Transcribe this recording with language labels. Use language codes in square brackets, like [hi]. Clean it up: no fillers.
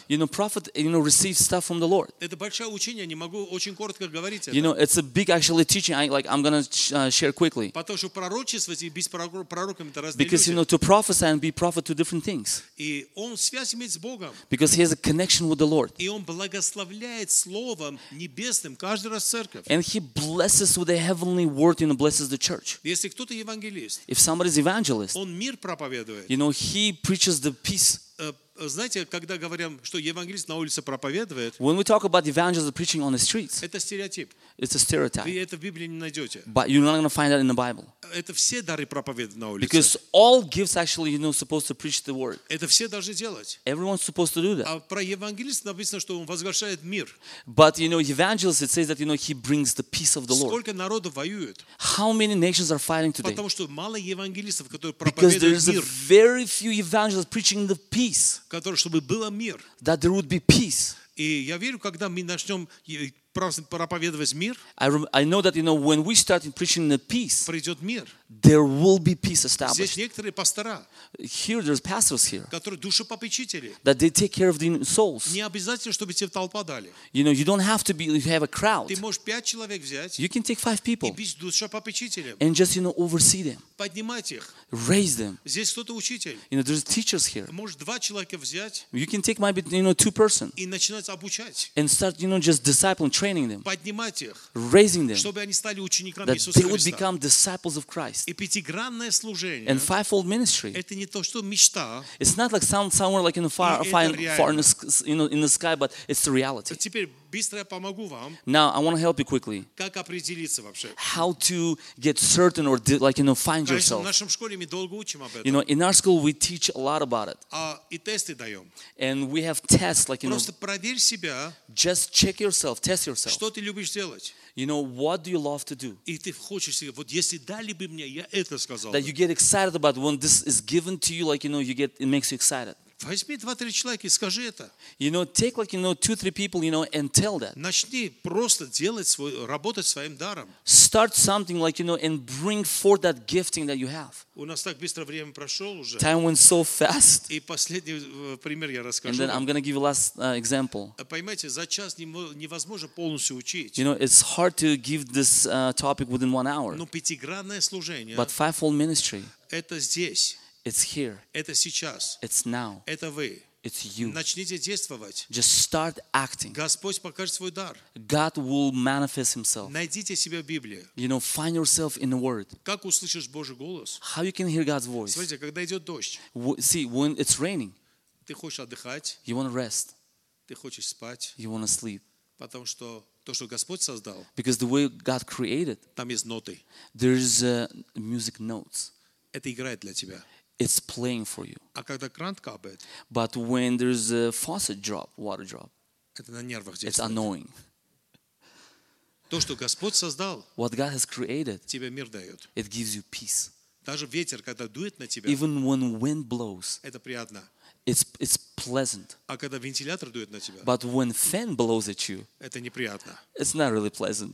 [en] You know, prophet, you know, receives stuff from the Lord. [ru] Это большое учение, не могу очень коротко говорить это. [en] You know, it's a big actually teaching. I'm gonna share quickly. [ru] Потому что пророчествовать и без пророка это разные. [en] Because, you know, to prophesy and be prophet two different things. [ru] И он связь имеет с Богом. [en] Because he has a connection with the Lord. [ru] И он благословляет словом небесным каждый раз церковь. [en] And he blesses with a heavenly word, you know, blesses the church. [ru] Если кто-то евангелист. [en] If somebody's evangelist. [ru] Он мир проповедует. [en] You know, he preaches the peace. [ru] Знаете, когда говорим, что евангелист на улице проповедует, [en] when we talk about evangelists preaching on the streets, [ru] это стереотип. [en] It's a stereotype. [ru] Вы это в Библии не найдете. [en] But you're not going to find that in the Bible. [ru] Это все дары проповедуют на улице. [en] Because all gifts actually, you know, supposed to preach the word. [ru] Это все должны делать. [en] Everyone's supposed to do that. [ru] А про евангелиста написано, что он возглашает мир. [en] But, you know, evangelist, it says that, you know, he brings the peace of the Lord. [ru] Сколько народов воюют? [en] How many nations are fighting today? [ru] Потому что мало евангелистов, которые проповедуют мир. [en] Because there's very few evangelists preaching the peace. [ru] Которые, чтобы было мир. [en] That there would be peace. [ru] И я верю, когда мы начнем проповедовать мир, [en] I know that, you know, when we start preaching the peace, [ru] придет мир. [en] There will be peace established. [ru] Здесь некоторые пастора. [en] Here there's pastors here. [ru] Которые душепопечители. [en] That they take care of the souls. [ru] Не обязательно, чтобы тебе толпа дали. [en] You know, you don't have to be, you have a crowd. [ru] Ты можешь 5 человек взять. [en] You can take 5 people. [ru] И быть душепопечителем. [en] And just, you know, oversee them. [ru] Поднимать их. [en] Raise them. [ru] Здесь кто-то учитель. [en] You know, there's teachers here. [ru] Можешь 2 человека взять. [en] You can take maybe, you know, 2 persons. [ru] И начинать обучать. [en] And start, you know, just discipling, training them. [ru] Поднимать их. [en] Raising them. [ru] Чтобы они стали учениками Иисуса Христа. [en] That they would become disciples of Christ. [ru] И пятигранное служение. [en] And fivefold ministry. [ru] Это не то, что мечта. [en] It's not like somewhere like in the far in the sky, but it's the reality. [ru] Теперь быстро я помогу вам. [en] Now I want to help you quickly. [ru] Как определиться вообще? [en] How to get certain or like, you know, find yourself. [ru] В нашем школе мы долго учим об этом. [en] You know, in our school we teach a lot about it. [ru] А и тесты даем. [en] And we have tests like, you know. [ru] Просто проверь себя. [en] Just check yourself, test yourself. [ru] Что ты любишь делать? [en] You know, what do you love to do? [ru] И ты хочешь, вот если дали бы мне, я это сказал. [en] That you get excited about when this is given to you, like, you know, you get, it makes you excited. [ru] Возьми 2-3 человека и скажи это. [en] You know, take like, you know, 2-3 people, you know, and tell that. [ru] Начни просто делать свой, работать своим даром. [en] Start something like, you know, and bring forth that gifting that you have. [ru] У нас так быстро время прошло уже. [en] Time went so fast. [ru] И последний пример я расскажу. [en] And then I'm going to give you last example. [ru] Поймите, за час невозможно полностью учить. [en] You know, it's hard to give this topic within 1 hour. [ru] Но пятигранное служение. [en] But fivefold ministry. [ru] Это здесь. [en] It's here. [ru] Это сейчас. [en] It's now. [ru] Это вы. [en] It's you. [ru] Начните действовать. [en] Just start acting. [ru] Господь покажет свой дар. [en] God will manifest himself. [ru] Найдите себя в Библии. [en] You know, find yourself in the Word. [ru] Как услышишь Божий голос? [en] How you can hear God's voice? [ru] Смотрите, когда идет дождь. [en] See, when it's raining. [ru] Ты хочешь отдыхать. [en] You want to rest. [ru] Ты хочешь спать. [en] You want to sleep. [ru] Потому что то, что Господь создал. [en] Because the way God created. [ru] Там есть ноты. [en] There is music notes. [ru] Это играет для тебя. [en] It's playing for you. [ru] А когда кран капает, [en] but when there's a faucet drop, water drop, [ru] это на нервах действует. [en] It's annoying. [ru] То, что Господь создал, [en] what God has created, [ru] тебе мир дает. [en] It gives you peace. [ru] Даже ветер, когда дует на тебя, [en] even when wind blows, [ru] это приятно. [en] It's pleasant. [ru] А когда вентилятор дует на тебя, [en] but when fan blows at you, [ru] это неприятно. [en] It's not really pleasant.